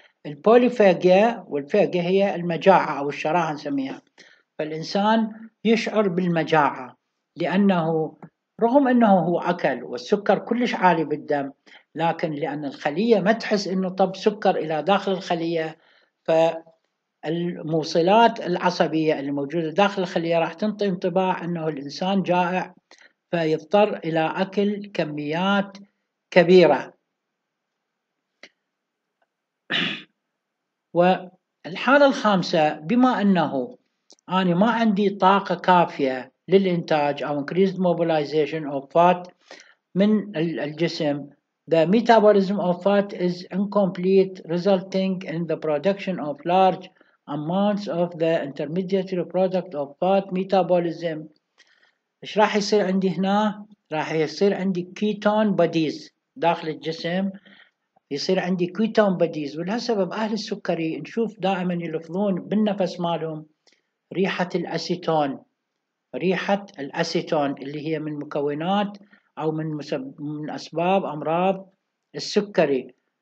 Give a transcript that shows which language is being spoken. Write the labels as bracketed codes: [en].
[ar] البوليفاجيا، والفاجيا هي المجاعة أو الشراهة نسميها، فالإنسان يشعر بالمجاعة لأنه رغم أنه هو أكل والسكر كلش عالي بالدم، لكن لأن الخلية ما تحس أنه طب سكر إلى داخل الخلية، فالموصلات العصبية اللي موجودة داخل الخلية راح تنطي انطباع أنه الإنسان جائع، فيضطر إلى أكل كميات كبيرة. والحالة الخامسة، بما أنه أنا ما عندي طاقة كافية للإنتاج أو [en] increased mobilization of fat [ar] من الجسم، [en] the metabolism of fat is incomplete resulting in the production of large amounts of the intermediary product of fat metabolism. [ar] إيش راح يصير عندي هنا؟ راح يصير عندي كيتون بوديز داخل الجسم، يصير عندي كيتون بوديز. ولهالسبب أهل السكري نشوف دائما يلفظون بالنفس مالهم ريحة الأسيتون، ريحة الأسيتون اللي هي من مكونات أو من أسباب أمراض السكري.